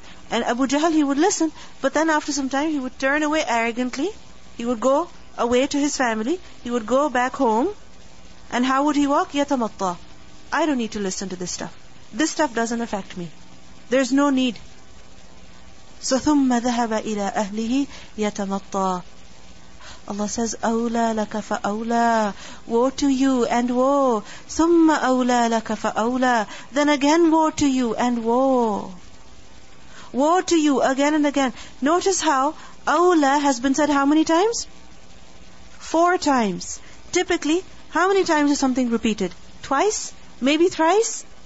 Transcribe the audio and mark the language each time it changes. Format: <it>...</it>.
<en>And Abu Jahl, he would listen. But then after some time, he would turn away arrogantly. He would go away to his family. He would go back home. And how would he walk? يَتَمَطَّى. I don't need to listen to this stuff. This stuff doesn't affect me. There's no need.</en> <ar>So ثُمَّ ذَهَبَ إِلَىٰ أَهْلِهِ يَتَمَطَّى.</ar> <en>Allah says,</en> <ar>أَوْلَى لَكَ فَأَوْلَىٰ.</ar> <en>Woe to you and woe.</en> <ar>ثُمَّ أَوْلَىٰ لَكَ فَأَوْلَىٰ.</ar> <en>Then again woe to you and woe. Woe to you again and again. Notice how أَوْلَىٰ has been said how many times? 4 times. Typically, how many times is something repeated? Twice? Maybe thrice?</en>